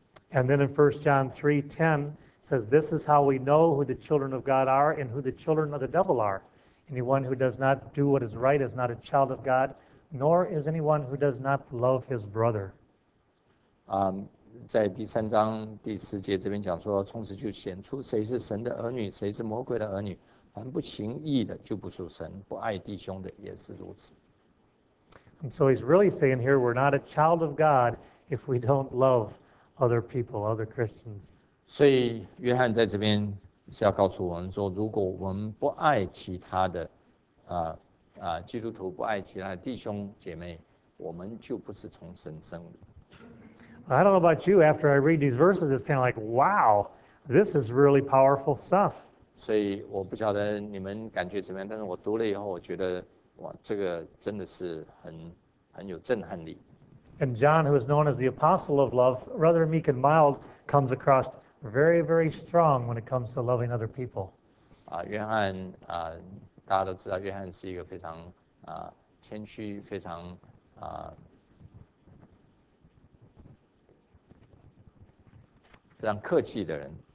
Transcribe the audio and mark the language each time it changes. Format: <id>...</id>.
<en>And then in 1 John 3:10 says, this is how we know who the children of God are and who the children of the devil are. Anyone who does not do what is right is not a child of God, nor is anyone who does not love his brother.</en> <zh>在第三章第十节这边讲说，从此就显出谁是神的儿女，谁是魔鬼的儿女。凡不行义的就不属神，不爱弟兄的也是如此。</zh> <en>And so he's really saying here, we're not a child of God if we don't love other people, other Christians.</en> <zh>所以约翰在这边是要告诉我们说，如果我们不爱其他的基督徒，不爱其他的弟兄姐妹，我们就不是从神生的。</zh> <en>I don't know about you, after I read these verses, it's kind of like, wow, this is really powerful stuff.</en> <zh>所以我不晓得你们感觉怎么样，但是我读了以后，我觉得哇，这个真的是很有震撼力。</zh> <en>And John, who is known as the apostle of love, rather meek and mild, comes across very, very strong when it comes to loving other people.</en> <zh>约翰，大家都知道，约翰是一个非常谦虚，非常非常客气的人。</zh>